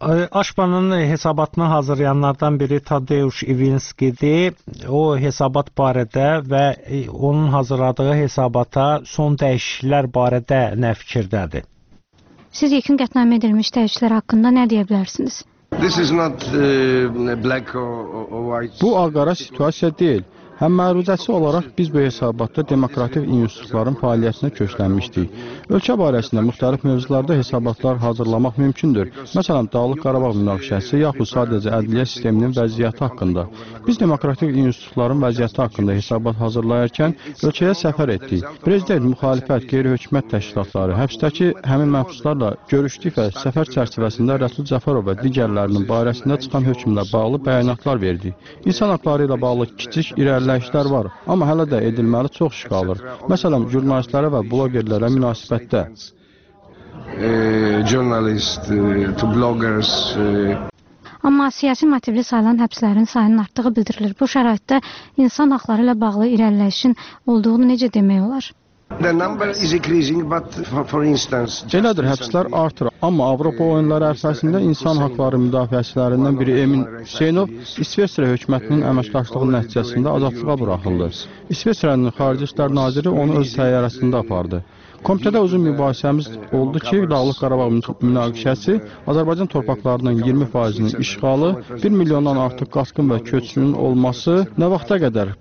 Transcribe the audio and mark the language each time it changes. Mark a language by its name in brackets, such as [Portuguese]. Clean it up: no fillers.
[Azerbaijani] Aşbanın hesabatını hazırlayanlardan biri Tadeuş İvinskidir. O hesabat barədə və onun hazırladığı hesabata son dəyişikliklər barədə nə fikirdədir? Siz yekun qətnamə edilmiş dəyişikliklər haqqında nə deyə bilərsiniz? [English] This is not black or white. [Azerbaijani] Bu ağ-qara situasiya deyil. Həm məruzəsi olaraq biz bu hesabatda demokratik institutların fəaliyyətinə köklənmişdik. Ölkə barəsində müxtəlif mövzularda hesabatlar hazırlamaq mümkündür. Məsələn, Dağlıq Qarabağ münaqişəsi, yaxud sadəcə ədliyyə sisteminin vəziyyəti haqqında. Biz demokratik institutların vəziyyəti haqqında hesabat hazırlayarkən ölkəyə səfər etdik. Prezident, müxalifət, qeyri-hökumət təşkilatları, həbsdəki həmin məhbuslarla görüşdük və səfər çərçivəsində Rəsul Cəfərov və digərlərinin barəsində çıxan hökmlə bağlı bəyanatlar verdik. İnsan haqları ilə bağlı kiçik irəliləyişlər var, amma hələ də edilməli çox iş qalır. Məsələn, jurnalistlərə və blogerlərə münasibətdə. Amma siyasi motivli sayılan həbslərin sayının artdığı bildirilir. Bu şəraitdə insan haqları ilə bağlı irəliləyişin olduğunu necə demək olar? [English] The number is increasing, but for instance, [Azerbaijani] elədir, həbslər artır. Amma Avropa oyunları ərsəsində insan haqları müdafiəçilərindən biri Emin Hüseynov İsveçrə hökumətinin əməkdaşlığı nəticəsində azadlığa buraxıldı. İsveçrənin Xarici İşlər Naziri onu öz təyyarəsində apardı. Komitədə uzun mübahisəmiz oldu ki, Dağlıq Qarabağ münaqişəsi Azərbaycan torpaqlarının 20%-nin işğalı, 1 milyondan artıq qaçqın və köçkünün olması nə vaxta qədər?